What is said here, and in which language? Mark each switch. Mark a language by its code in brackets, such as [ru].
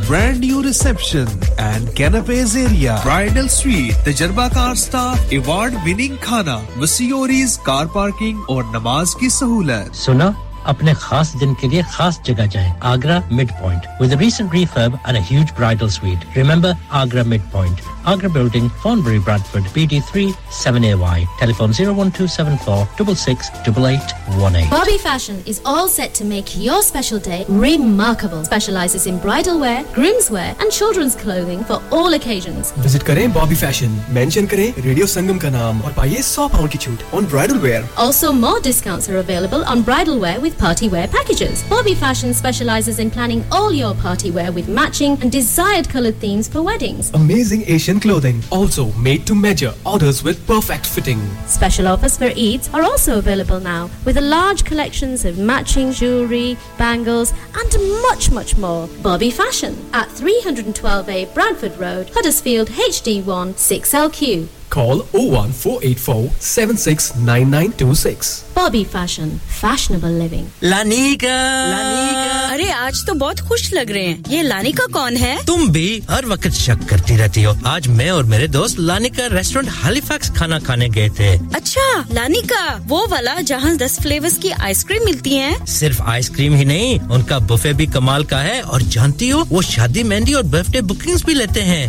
[en] brand new reception and कैनपेज area, [hi] bridal sweet, तजर्बा car staff, award winning खाना, मसियोरीज, car parking और नमाज की सहूलत। सुना, अपने खास दिन के लिए खास जगह जाएं, Agra mid point [en] With a recent refurb and a huge bridal suite. Remember Agra mid point, Agra building, Thornbury, Bradford, BD3 7AY, telephone 01274 66 8818। Bobby Fashion is all set to make your special day remarkable. Specializes in bridal wear, grooms wear and children's clothing for all occasions. [hi] Visit करें Bobby Fashion, mention करें radio संगम का नाम और पाइए 100 pound की छूट [en] on bridal wear. Also more discounts are available on bridal wear with party wear packages. Bobby Fashion specializes in planning all your party wear with matching and desired colored themes for weddings. Amazing Asian clothing, also made to measure, orders with perfect fitting. Special offers for Eids are also available now, with a large collections of matching jewelry, bangles and much, much more. Bobby Fashion at 312A Bradford Road, Huddersfield, HD1 6LQ. Call 01484-769926. Bobby Fashion, fashionable living. Lanika! Lanika! [hi] अरे आज तो बहुत खुश लग रहे हैं, ये Lanika कौन है? तुम भी हर वक्त शक करती रहती हो। आज मैं और मेरे दोस्त लानिका रेस्टोरेंट हैलिफैक्स खाना खाने गए थे। अच्छा, लानिका वो वाला जहां 10 फ्लेवर्स की आइसक्रीम मिलती हैं? सिर्फ आइसक्रीम ही नहीं, उनका बुफे भी कमाल का है और जानती हो वो शादी मेहंदी और बर्थडे बुकिंग्स भी लेते हैं।